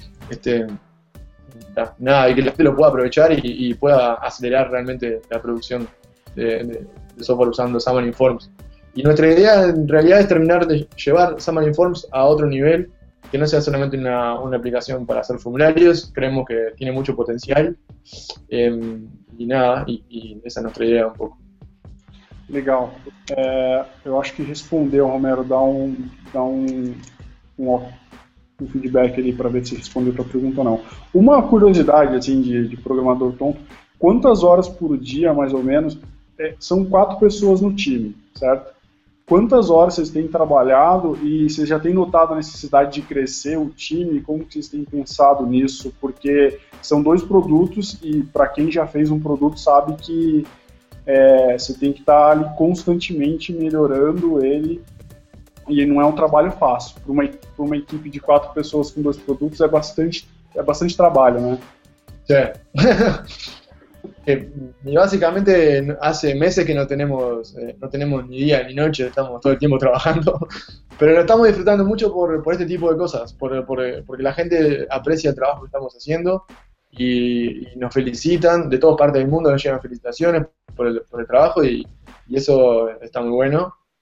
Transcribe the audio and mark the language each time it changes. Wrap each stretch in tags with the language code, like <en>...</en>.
<es>Y que la gente lo pueda aprovechar y pueda acelerar realmente la producción de software usando Xamarin Forms. Y nuestra idea en realidad es terminar de llevar Xamarin Forms a otro nivel, que no sea solamente una aplicación para hacer formularios, creemos que tiene mucho potencial, y esa es nuestra idea un poco.</es> <pt>Legal. Eu acho que respondeu, Romero, dá um feedback ali para ver se respondeu tua pergunta ou não. Uma curiosidade, assim, de programador tonto, quantas horas por dia, mais ou menos, são quatro pessoas no time, certo? Quantas horas vocês têm trabalhado e vocês já têm notado a necessidade de crescer o time? Como que vocês têm pensado nisso? Porque são dois produtos e para quem já fez um produto sabe que você tem que estar ali constantemente melhorando ele, e não é um trabalho fácil. Para uma equipe de quatro pessoas com dois produtos é bastante trabalho, né? É.</pt> <es>Y básicamente hace meses que no tenemos ni día ni noche, estamos todo el tiempo trabajando, pero lo estamos disfrutando mucho por este tipo de cosas, porque la gente aprecia el trabajo que estamos haciendo y nos felicitan, de todas partes del mundo nos llegan felicitaciones por el trabajo y eso está muy bueno</es>